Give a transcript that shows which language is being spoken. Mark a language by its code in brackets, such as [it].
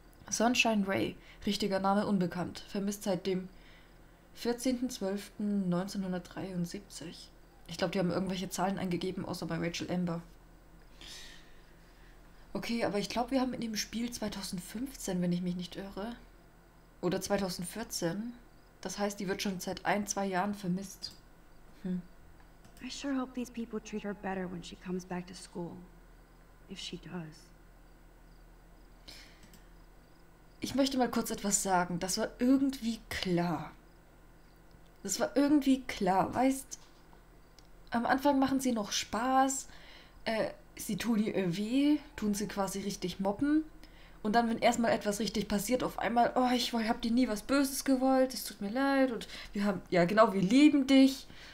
[de] Sunshine Ray, richtiger Name unbekannt, vermisst seit dem 14.12.1973. Ich glaube, die haben irgendwelche Zahlen eingegeben, außer bei Rachel Amber. Okay, aber ich glaube, wir haben in dem Spiel 2015, wenn ich mich nicht irre. Oder 2014. Das heißt, die wird schon seit ein, zwei Jahren vermisst. [en] I sure hope these people treat her better when she comes back to school. If she does. [de] Ich möchte mal kurz etwas sagen. Das war irgendwie klar. Das war irgendwie klar, weißt? Am Anfang machen sie noch Spaß. Sie tun ihr weh, tun sie quasi richtig mobben. Und dann, wenn erstmal etwas richtig passiert, auf einmal, oh, ich hab dir nie was Böses gewollt, es tut mir leid. Und wir haben, ja genau, wir lieben dich.